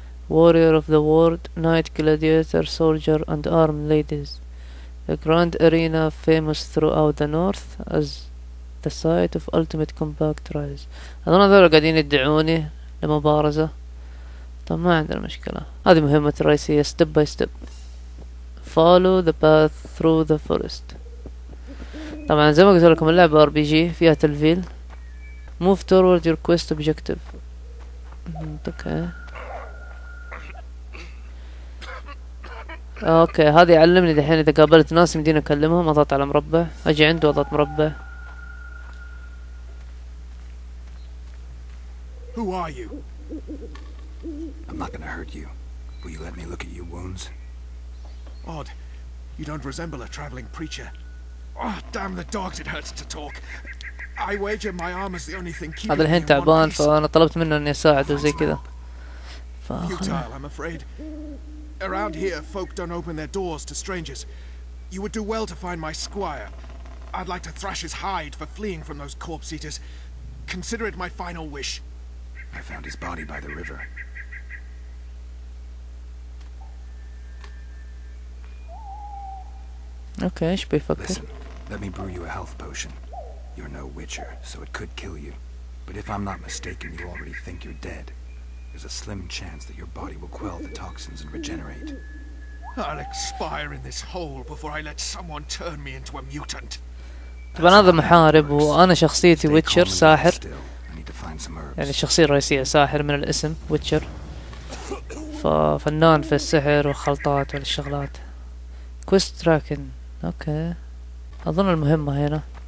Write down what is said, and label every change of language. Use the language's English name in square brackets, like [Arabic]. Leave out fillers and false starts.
[English] Warrior of the world night gladiator soldier and arm ladies, the grand arena famous throughout the north is The site of ultimate compact rise. [Arabic] هذول هذول قاعدين يدعوني لمبارزة. طب ما عندنا مشكلة، هذه مهمة رئيسية. [English] step by step follow the path through the forest. [Arabic] طبعا زي ما قلت لكم اللعبة RPG فيها تلفيل. [English] move toward your quest objective. [Arabic] اوكي هذا يعلمني دحين اذا قابلت ناس يمديني اكلمهم. اضغط على مربع، اجي عنده اضغط مربع. [English] Who are you? I'm not gonna hurt you. Will you let me look at your wounds? Odd. You don't resemble a traveling preacher. Oh, damn the dogs, it hurts to talk. I wager my arm is the only thing keeping [Arabic] هذا الحين تعبان، فأنا طلبت منه أن يساعده زي كذا. [English] Futile, I'm afraid. Around here, folk don't open their doors to strangers. You would do well to find my squire. I'd like to thrash his hide for fleeing from those corpse eaters. Consider it my final wish. I found his body by the river. [Arabic] Okay, ايش بيفكر؟ [English] Listen, let me brew you a health potion. You're no witcher, so it could kill you. But if I'm not mistaken, you already think you're dead. There's a slim chance that your body will quell the toxins and regenerate. I'll expire in this hole before I let someone turn me into a mutant. [Arabic] طبعا هذا محارب وانا شخصيتي ويتشر ساحر. يعني الشخصية الرئيسية ساحر من الاسم ويتشر، ففنان في السحر والخلطات والشغلات. كويست راكن، اوكي اظن المهمة هنا.